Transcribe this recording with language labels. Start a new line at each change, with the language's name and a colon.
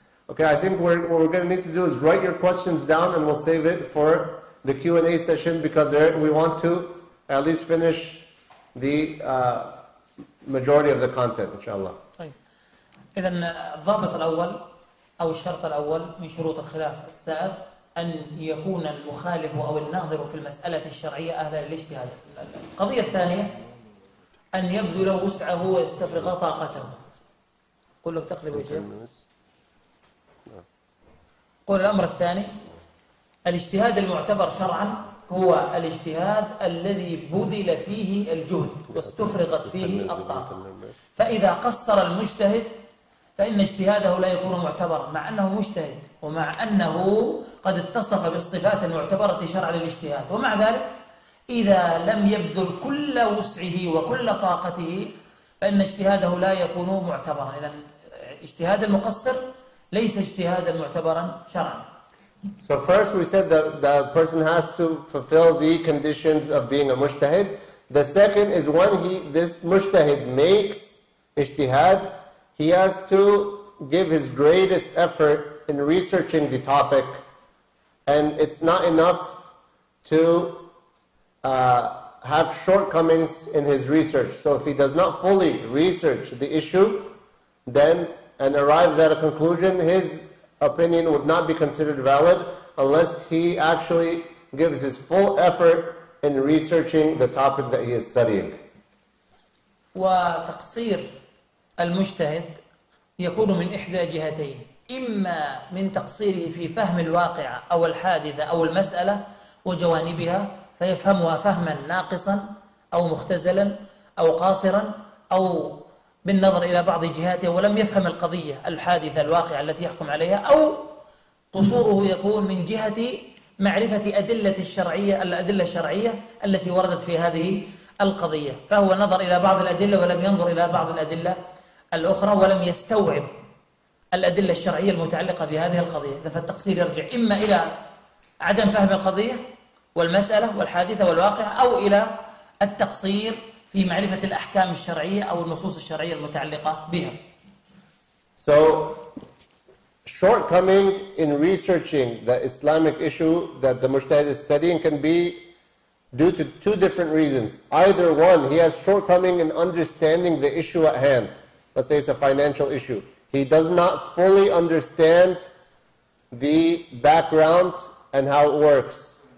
English: Okay, I think what we're going to need to do is write your questions down and we'll save it for the Q&A session, because there, we want to at least finish the majority of the content, inshallah.
Arabic: إذن الضابط الأول أو الشرط الأول من شروط الخلاف السائر أن يكون المخالف أو الناظر في المسألة الشرعية أهل الاجتهاد. القضية الثانية أن يبذل وسعه ويستفرغ طاقته. قل له تقلب وجهك. قل الأمر الثاني الاجتهاد المعتبر شرعا هو الاجتهاد الذي بذل فيه الجهد واستفرغت فيه الطاقة. فإذا قصر المجتهد فإن اجتهاده لا يكون معتبر مع أنه مجتهد ومع أنه قد اتصف بالصفات المعتبرة شرعا للاجتهاد. ومع ذلك إذا لم يبذل كل وسعه وكل طاقته فإن اجتهاده لا يكون معتبرا. إذن اجتهاد المقصر ليس اجتهادا معتبرا شرعا.
English: So first we said that the person has to fulfill the conditions of being a mujtahid. The second is when this mujtahid makes ijtihad, he has to give his greatest effort in researching the topic. And it's not enough to have shortcomings in his research. So if he does not fully research the issue, then and arrives at a conclusion, his opinion would not be considered valid unless he actually gives his full effort in researching the topic that he is studying.
Arabic: وتقصير المجتهد يكون من إحدى جهتين، إما من تقصيره في فهم الواقع أو الحادثة أو المسألة وجوانبها فيفهمها فهما ناقصا أو مختزلا أو قاصرا أو بالنظر إلى بعض جهاته ولم يفهم القضية الحادثة الواقعة التي يحكم عليها، أو قصوره يكون من جهة معرفة أدلة الشرعية الأدلة الشرعية التي وردت في هذه القضية، فهو نظر إلى بعض الأدلة ولم ينظر إلى بعض الأدلة الأخرى ولم يستوعب الأدلة الشرعية المتعلقة بهذه القضية. فالتقصير يرجع إما إلى عدم فهم القضية والمسألة والحادثة والواقعة، أو إلى التقصير في معرفة الأحكام الشرعية أو النصوص الشرعية المتعلقة بها.
English: So, shortcoming in researching the Islamic issue that the mujtahid is studying can be due to two different reasons. Either one, he has shortcoming in understanding the issue at hand. Let's say it's a financial issue. He does not fully understand the background and how it works.